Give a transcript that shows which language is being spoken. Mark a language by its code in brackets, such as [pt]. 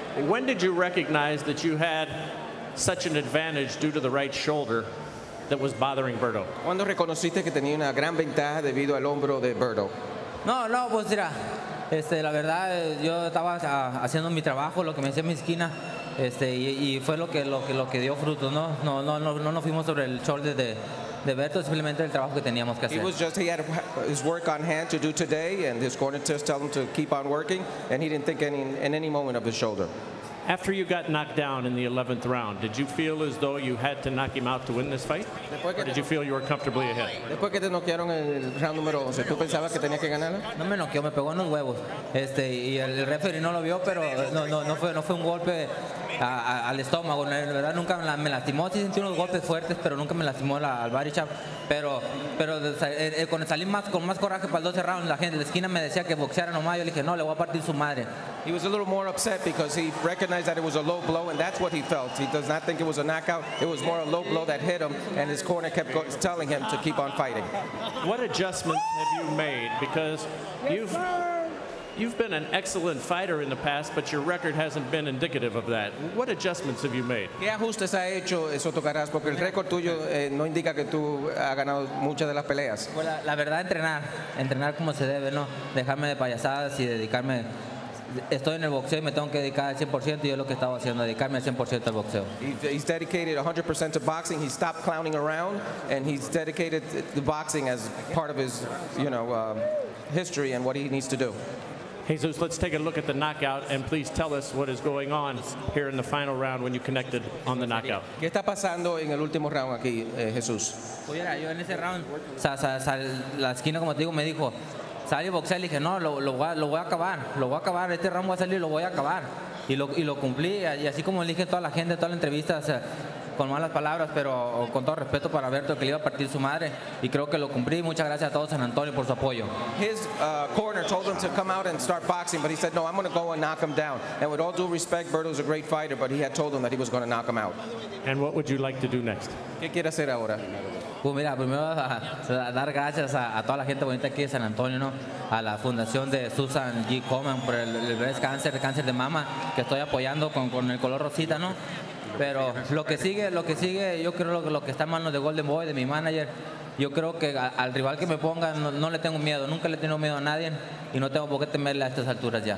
[en] When did you recognize that you had such an advantage due to the right shoulder that was bothering Berto? [es] ¿Cuándo reconociste que tenía una gran ventaja debido al hombro de Berto? No, pues mira, la verdad, yo estaba haciendo mi trabajo, lo que me decía mi esquina, y fue lo que dio fruto, ¿no? No, nos fuimos sobre el shoulder de Berto, simplemente el trabajo que teníamos que hacer. [en] He was just, he had his work on hand to do today, and his corner just told him to keep on working, and he didn't think in any moment of his shoulder. After you got knocked down in the 11th round, did you feel as though you had to knock him out to win this fight? Or did you feel you were comfortably ahead? [es] Después que te noquearon en el round número 11, ¿tú pensabas que tenías que ganarlo? No me noqueó, me pegó en los huevos. Y el referee no lo vio, pero no fue un golpe al estómago. La verdad, nunca me lastimó. Sí sentí unos golpes fuertes, pero nunca me lastimó al body shop. Pero cuando salí con más coraje para el 12 round, la gente de la esquina me decía que boxeara nomás. Yo le dije, no, le voy a partir su madre. [en] He was a little more upset because he recognized that it was a low blow, and that's what he felt. He does not think it was a knockout. It was more a low blow that hit him, and his corner kept telling him to keep on fighting. What adjustments have you made? Because you've been an excellent fighter in the past, but your record hasn't been indicative of that. What adjustments have you made? [es] ¿Qué ajustes ha hecho Soto Karass? Porque el récord tuyo no indica que tú has ganado muchas de las peleas. La verdad, entrenar como se debe, no dejarme de payasadas y dedicarme. Estoy en el boxeo y me tengo que dedicar al 100%, y yo lo que estaba haciendo, dedicarme al 100% al boxeo. [en] He's dedicated 100% to boxing. He stopped clowning around, and he's dedicated to boxing as part of his, you know, history and what he needs to do. Jesus, let's take a look at the knockout, and please tell us what is going on here in the final round when you connected on the knockout. [es] ¿Qué está pasando en el último round aquí, Jesús? Oye, yo en ese round, la esquina, como te digo, me dijo, salí a boxear y dije, no, lo voy a acabar, este round voy a salir y lo voy a acabar. Y lo cumplí, y así como le dije a toda la gente, toda la entrevista, o sea, con malas palabras, pero con todo respeto para Berto, que le iba a partir su madre, y creo que lo cumplí. Muchas gracias a todos San Antonio por su apoyo. [en] His corner told him to come out and start boxing, but he said, no, I'm going to go and knock him down. And with all due respect, Berto's a great fighter, but he had told him that he was going to knock him out. And what would you like to do next? [es] ¿Qué quiere hacer ahora? Pues mira, primero a dar gracias a toda la gente bonita aquí de San Antonio, ¿no? A la fundación de Susan G. Komen por el [en] breast cancer, [es] el cáncer de mama, que estoy apoyando con el color rosita, ¿no? Pero lo que sigue, yo creo lo que está en manos de Golden Boy, de mi manager, yo creo que al rival que me ponga no le tengo miedo, nunca le tengo miedo a nadie, y no tengo por qué temerle a estas alturas ya.